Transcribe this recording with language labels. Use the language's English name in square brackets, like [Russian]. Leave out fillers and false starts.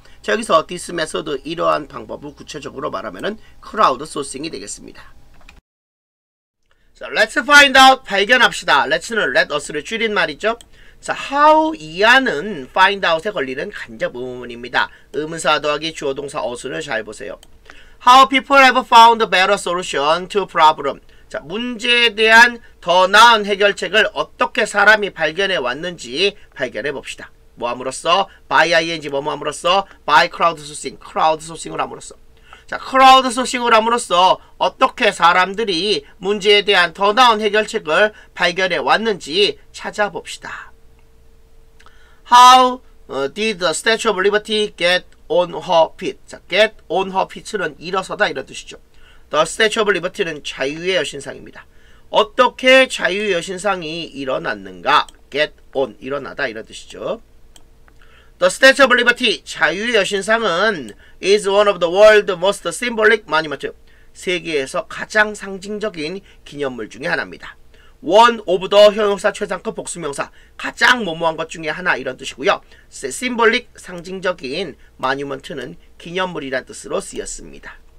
[Korean] 자, 여기서 this method 이러한 방법을 구체적으로 말하면은 crowdsourcing이 되겠습니다. 자, let's find out, 발견합시다. let's는 let us를 줄인 말이죠. 자, how 이하는 find out에 걸리는 간접 의문입니다. 의문사 더하기 주어 동사 어순을 잘 보세요. [English] How people have found better solution to problem. [Korean] 자, 문제에 대한 더 나은 해결책을 어떻게 사람이 발견해 왔는지 발견해 봅시다. 뭐 함으로써? by ing 뭐뭐 함으로써? by crowdsourcing. crowdsourcing을 함으로써. 자, crowdsourcing을 함으로써 어떻게 사람들이 문제에 대한 더 나은 해결책을 발견해 왔는지 찾아 봅시다. [English] How did the Statue of Liberty get on her feet. [Korean] 자, get on her feet는 일어서다 이런 뜻이죠. The Statue of Liberty는 자유의 여신상입니다. 어떻게 자유의 여신상이 일어났는가? get on, 일어나다 이런 뜻이죠. [English] The Statue of Liberty, [Korean] 자유의 여신상은 [English] is one of the world's most symbolic monuments. [Korean] 세계에서 가장 상징적인 기념물 중에 하나입니다. One of the 형용사 최상급 복수명사, 가장 모모한 것 중에 하나 이런 뜻이고요. Symbolic, 상징적인 monument는 기념물이란 뜻으로 쓰였습니다.